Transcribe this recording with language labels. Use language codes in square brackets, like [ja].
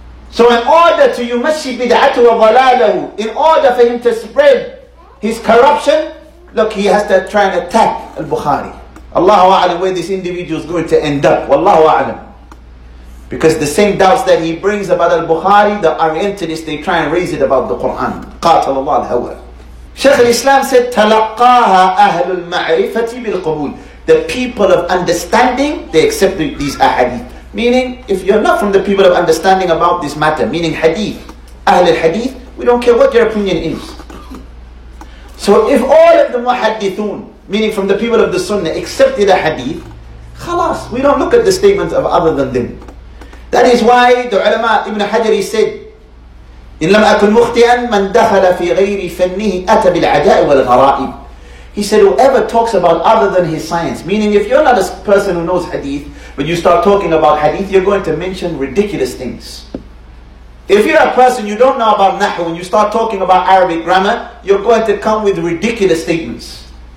[en] So in order to [ar] yumashi bid'atu wa dhalalahu, [en] in order for him to spread his corruption, look, he has to try and attack al-Bukhari. Allahu a'lam where this individual is going to end up. Wallahu a'lam. Because the same doubts that he brings about al-Bukhari, the Orientalists, they try and raise it about the Qur'an. [ar] قَاتَلَ اللَّهُ الْهَوَى. [en] Shaykh al-Islam said, [ar] تَلَقَّاهَا أَهْلُ الْمَعْرِفَةِ بِالْقُبُولِ. [en] the people of understanding, they accept these ahadith. Meaning, if you're not from the people of understanding about this matter, meaning hadith, ahl al-hadith, we don't care what your opinion is. So if all of the muhaddithun, meaning from the people of the sunnah, accepted a hadith, khalas, we don't look at the statements of other than them. That is why the ulama Ibn Hajar said, [ar] إِن لَمْ أَكُنْ مُخْتِئًا مَنْ دَخَلَ فِي غَيْرِ فَنِّهِ أَتَى بِالْعَجَاءِ وَالْغَرَائِبِ. [en] He said, whoever talks about other than his science, meaning if you're not a person who knows hadith, but you start talking about hadith, you're going to mention ridiculous things. If you're a person you don't know about nahu, when you start talking about Arabic grammar, you're going to come with ridiculous statements.